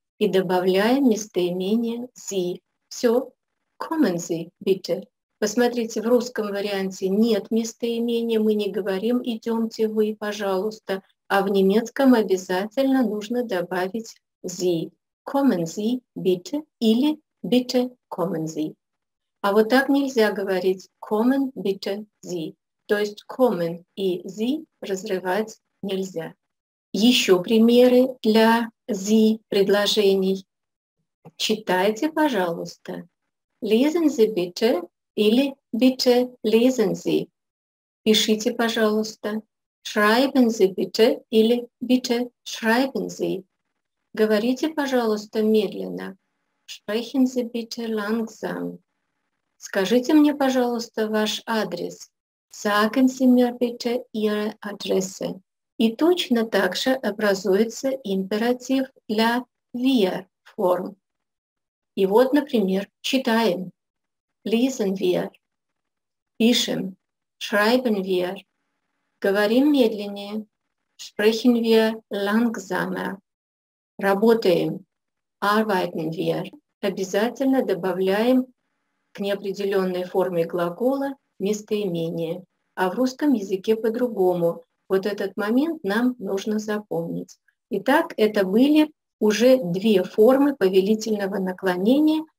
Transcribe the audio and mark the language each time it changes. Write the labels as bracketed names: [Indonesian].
[Russian] И добавляем местоимение Sie. Все. [German] Kommen Sie, bitte. [Russian] Посмотрите, в русском варианте нет местоимения, мы не говорим «идемте вы, пожалуйста», а в немецком обязательно нужно добавить Sie. [German] Kommen Sie, bitte. [Russian] Или [German] bitte kommen Sie. [Russian] А вот так нельзя говорить [German] «kommen, bitte, sie». [Russian] То есть «kommen» и «sie» разрывать нельзя. Еще примеры для «sie» предложений. Читайте, пожалуйста. [German] «Lesen Sie, bitte» [Russian] или [German] «bitte, lesen Sie». [Russian] Пишите, пожалуйста. [German] «Schreiben Sie, bitte» [Russian] или [German] «bitte, schreiben Sie». [Russian] Говорите, пожалуйста, медленно. [German] «Sprechen Sie, bitte, langsam». [Russian] Скажите мне, пожалуйста, ваш адрес. [German] Sagen Sie mir bitte Ihre Adresse. [Russian] И точно так же образуется императив для wir форм. И вот, например, читаем. [German] Lesen wir. [Russian] Пишем. [German] Schreiben wir. [Russian] Говорим медленнее. [German] Sprechen wir langsamer. [Russian] Работаем. [German] Arbeiten wir. [Russian] Обязательно добавляем к неопределенной форме глагола местоимение, а в русском языке по-другому. Вот этот момент нам нужно запомнить. Итак, это были уже две формы повелительного наклонения.